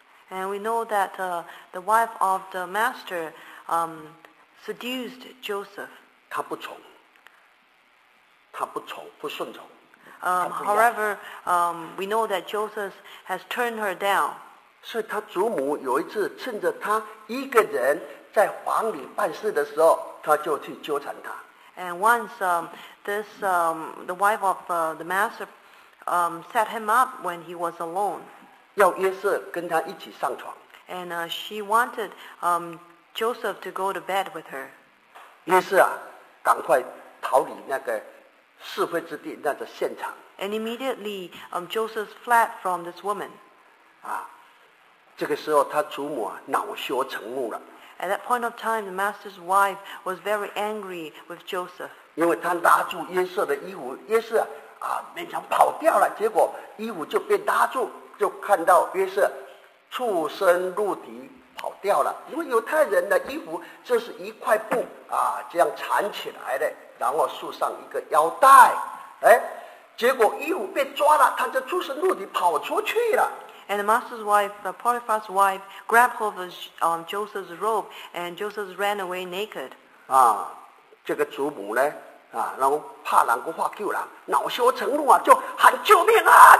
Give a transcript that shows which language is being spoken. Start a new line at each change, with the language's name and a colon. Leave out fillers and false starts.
English: And we know that the wife of the master seduced Joseph.
Chinese: 他不从，他不从，不顺从。
English: However, we know that Joseph has turned her down.
Chinese: 所以他祖母有一次趁着他一个人在房里办事的时候，他就去纠缠他。
English: And once the wife of the master set him up when he was alone.
Chinese: 要约瑟跟他一起上床。
English: And she wanted Joseph to go to bed with her.
Chinese: 约瑟啊，赶快逃离那个是非之地那个现场。
English: And immediately Joseph fled from this woman.
Chinese: 啊，这个时候他祖母啊恼羞成怒了。
English: At that point of time, the master's wife was very angry with Joseph.
Chinese: 因为他拉住约瑟的衣服，约瑟啊勉强跑掉了，结果衣服就被拉住，就看到约瑟赤身露体跑掉了。因为犹太人的衣服就是一块布啊这样缠起来的，然后束上一个腰带，哎，结果衣服被抓了，他就赤身露体跑出去了。
English: And the master's wife, Potiphar's wife, grabbed hold of Joseph's robe, and Joseph ran away naked.
Chinese: 啊，这个祖母呢，啊，然后怕人不怕救人，恼羞成怒啊，就喊救命啊！